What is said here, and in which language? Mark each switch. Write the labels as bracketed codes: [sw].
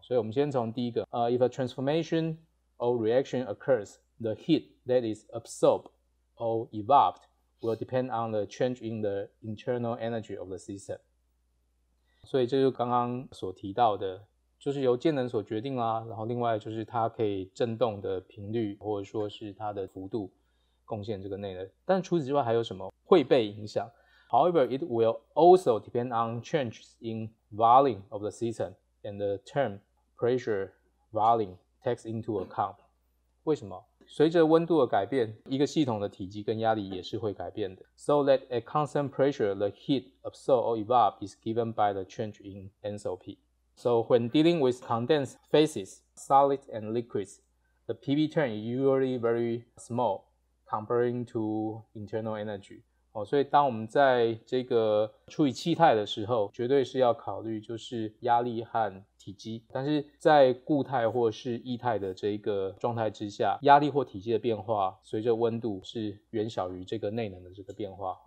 [zh] 所以我们先从第一个 [en] If a transformation or reaction occurs, the heat that is absorbed or evolved will depend on the change in the internal energy of the system。 [zh] 所以这就刚刚所提到的，就是由介能所决定啦，然后另外就是它可以振动的频率或者说是它的幅度贡献这个内能。但除此之外还有什么会被影响？ [en] However, it will also depend on changes in volume of the system and the term pressure volume takes into account。 [zh] 为什么？随着温度的改变，一个系统的体积跟压力也是会改变的。 [en] So that at constant pressure, the heat absorbed or evolved is given by the change in enthalpy. So when dealing with condensed phases, solids and liquids, the PV term is usually very small comparing to internal energy. [zh] 所以当我们在这个处理气态的时候，绝对是要考虑就是压力和体积，但是在固态或是液态的这个状态之下，压力或体积的变化随着温度是远小于这个内能的这个变化。